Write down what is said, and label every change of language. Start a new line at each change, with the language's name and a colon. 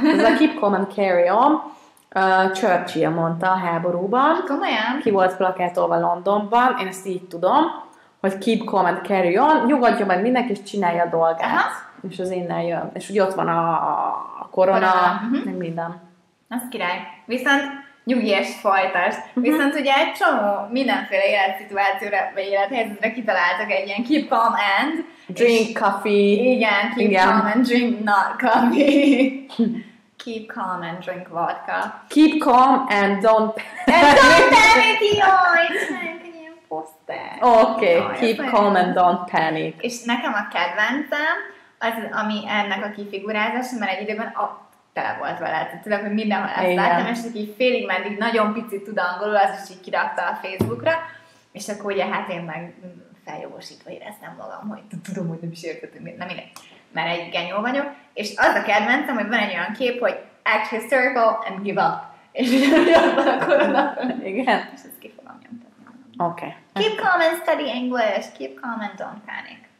Hungarian: Ez a
English: keep calm and carry on.
Hungarian: Churchill mondta a háborúban. Komolyan. Ki volt plakátolva Londonban, én ezt így tudom, hogy
English: keep calm and carry on,
Hungarian: nyugodja meg mindenki, és csinálja a dolgát. Aha. És az innen jön. És ugye ott van a korona, meg minden. Az király. Viszont nyugdíjas folytást. Viszont ugye egy csomó mindenféle életszituációra, vagy élethelyzetre kitaláltak egy ilyen keep calm and...
English: Drink coffee.
Hungarian: Igen,
English: keep calm and drink not coffee. Keep calm and drink vodka. Keep calm and don't panic. And don't panic,
Hungarian: jaj! Egy ilyen poszter.
English: Oké, keep calm and don't panic.
Hungarian: És nekem a kedvencem, az, ami ennek a kifigurázása, mert egy időben tele volt vele, tehát tudom, hogy mindenhol ezt láttam, és aki félig meddig nagyon picit tud angolul, az is így kirakta a Facebookra, és akkor ugye hát én meg feljogosítva éreztem magam, hogy tudom, hogy nem is értettem, nem mindegy, mert egy genyó vagyok, és az a kedvencem, hogy van egy olyan kép, hogy
English: act hysterical and give up,
Hungarian: és ugye abban a koronában. Igen. És ezt ki fogom nyomtatni. Oké.
English: Okay. Keep calm and study English, keep calm and don't panic.